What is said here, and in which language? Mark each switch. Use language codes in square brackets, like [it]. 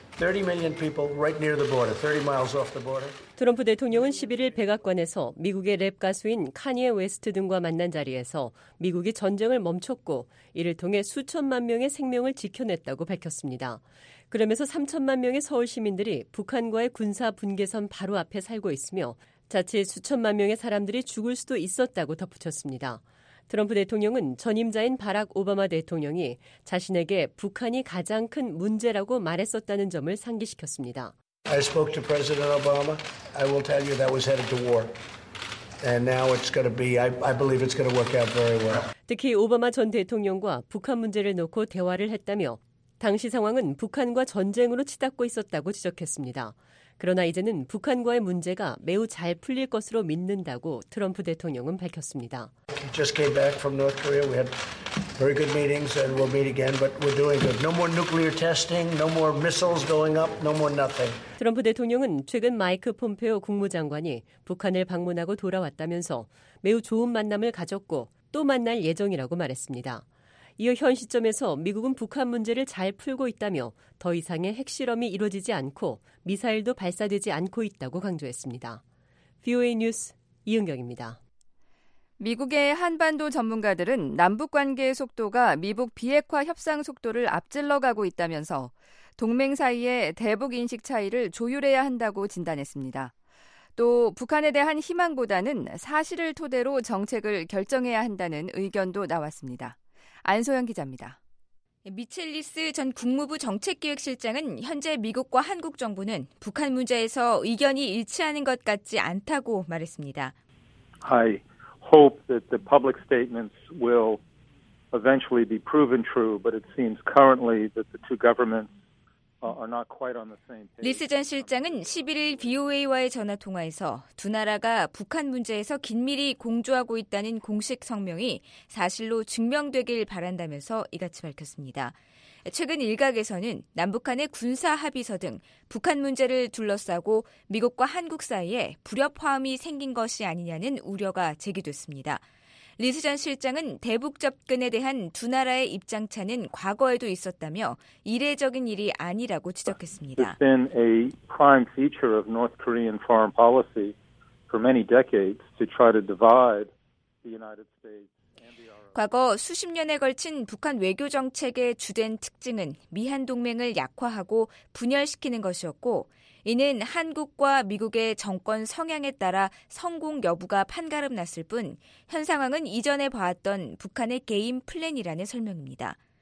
[en] 30 million people right near the border, 30 miles off the border. [ko] 트럼프 대통령은 11일 백악관에서 미국의 랩 가수인 카니에 웨스트 등과 만난 자리에서 미국이 전쟁을 멈췄고 이를 통해 수천만 명의 생명을 지켜냈다고 밝혔습니다. 그러면서 3천만 명의 서울 시민들이 북한과의 군사 분계선 바로 앞에 살고 있으며 자칫 수천만 명의 사람들이 죽을 수도 있었다고 덧붙였습니다. 트럼프 대통령은 전임자인 바락 오바마 대통령이 자신에게 북한이 가장 큰 문제라고 말했었다는 점을 상기시켰습니다. [en] I spoke to President Obama. I will tell you that was headed to war. And now it's going to be, I believe it's going to work out very well. [ko] 특히 오바마 전 대통령과 북한 문제를 놓고 대화를 했다며 당시 상황은 북한과 전쟁으로 치닫고 있었다고 지적했습니다. 그러나 이제는 북한과의 문제가 매우 잘 풀릴 것으로 믿는다고 트럼프 대통령은 밝혔습니다. [en] Just came back from North Korea. We had very good meetings and we'll meet again, but we're doing good. No more nuclear testing, no more missiles going up, no more nothing. [ko] 트럼프 대통령은 최근 마이크 폼페오 국무장관이 북한을 방문하고 돌아왔다면서 매우 좋은 만남을 가졌고 또 만날 예정이라고 말했습니다. 이어 현 시점에서 미국은 북한 문제를 잘 풀고 있다며 더 이상의 핵실험이 이루어지지 않고 미사일도 발사되지 않고 있다고 강조했습니다. VOA 뉴스 이은경입니다. 미국의 한반도 전문가들은 남북관계의 속도가 미국 비핵화 협상 속도를 앞질러가고 있다면서 동맹 사이의 대북 인식 차이를 조율해야 한다고 진단했습니다. 또 북한에 대한 희망보다는 사실을 토대로 정책을 결정해야 한다는 의견도 나왔습니다. 안소영 기자입니다. 미첼리스 전 국무부 정책기획실장은 현재 미국과 한국 정부는 북한 문제에서 의견이 일치하는 것 같지 않다고 말했습니다. [en] I hope that the public statements will eventually be proven true, but it seems currently that the two governments are not quite on the same page. [ko] 리스 전 실장은 11일 BOA와의 전화 통화에서 두 나라가 북한 문제에서 긴밀히 공조하고 있다는 공식 성명이 사실로 증명되길 바란다면서 이같이 밝혔습니다. 최근 일각에서는 남북한의 군사 합의서 등 북한 문제를 둘러싸고 미국과 한국 사이에 불협화음이 생긴 것이 아니냐는 우려가 제기됐습니다. 리스 전 실장은 대북 접근에 대한 두 나라의 입장차는 과거에도 있었다며 이례적인 일이 아니라고 지적했습니다. [en] It's been a prime feature of North Korean foreign policy for many decades to try to divide the United States. [ko] 과거 수십 년에 걸친 북한 외교 정책의 주된 특징은 미한 동맹을 약화하고 분열시키는 것이었고 이는 한국과 미국의 정권 성향에 따라 성공 여부가 판가름 났을 뿐 현 상황은 이전에 봐왔던 북한의 게임 플랜이라는 설명입니다.